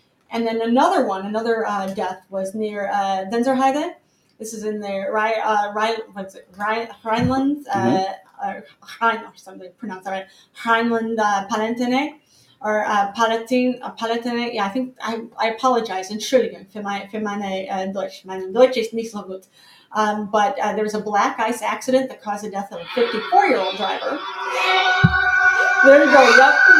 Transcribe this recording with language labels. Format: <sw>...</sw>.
<en>And then another death was near Denzerheide. This is in the Rheinland-Palatine. Yeah, I think I apologize.</en> <de>Entschuldigung für mein Deutsch ist nicht so gut.</de> <en>But there was a black ice accident that caused the death of a 54-year-old driver. There you go. Yep.</en>